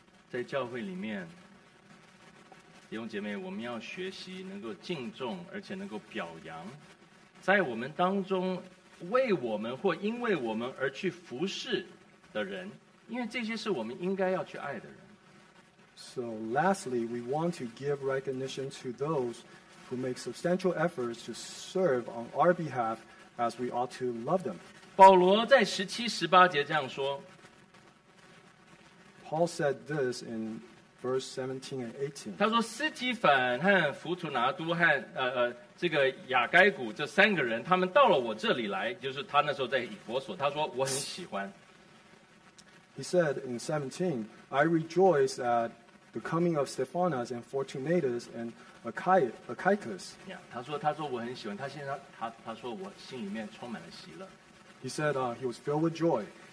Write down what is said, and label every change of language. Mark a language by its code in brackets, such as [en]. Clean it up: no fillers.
[zh] 在教会里面，弟兄姐妹，我们要学习能够敬重，而且能够表扬，在我们当中为我们或因为我们而去服侍的人，因为这些是我们应该要去爱的人。 [en] So lastly, we want to give recognition to those who make substantial efforts to serve on our behalf as we ought to love them. [zh] 保罗在十七、十八节这样说。 [en] Paul said this in verse 17 and 18. [zh] 他说斯提凡和弗图拿都和这个雅该古这三个人，他们到了我这里来，就是他那时候在以弗所，他说我很喜欢。 [en] He said in 17, I rejoice at the coming of Stephanas and Fortunatus and Achaicus. He said he was filled with joy.